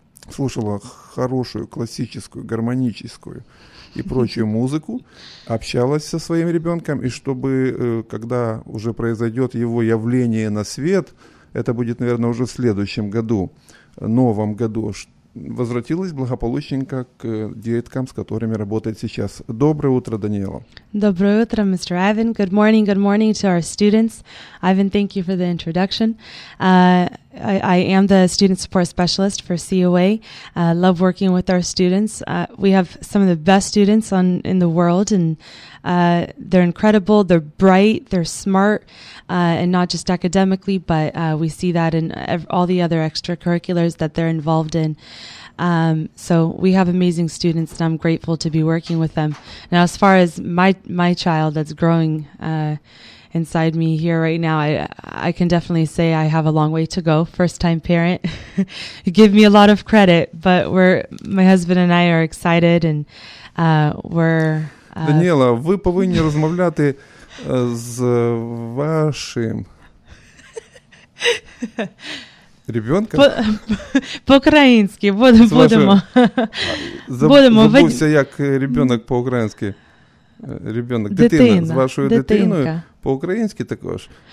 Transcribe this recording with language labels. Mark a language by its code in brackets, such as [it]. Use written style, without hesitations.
[ru] слушала хорошую, классическую, гармоническую и прочую музыку, общалась со своим ребенком, и чтобы, когда уже произойдет его явление на свет, это будет, наверное, уже в следующем году, новом году, возвратилась благополучненько к деткам, с которыми работает сейчас. Доброе утро, Даниэла. Доброе утро, мистер Айвен. [en] Good morning to our students. Айвен, thank you for the introduction. I am the student support specialist for COA. Love working with our students. We have some of the best students in the world, and they're incredible. They're bright, they're smart, and not just academically, but we see that in all the other extracurriculars that they're involved in. So we have amazing students, and I'm grateful to be working with them. Now, as far as my child that's growing inside me here right now, I can definitely say I have a long way to go. First time parent, give me a lot of credit, but my husband and I are excited, and we're. [uk] Даниэла, ви повинні розмовляти з вашим ребенком. По-українськи, будемо. Забувся, як ребенок по-українськи. Ребенок, дитина з вашою дитиною по-українськи також.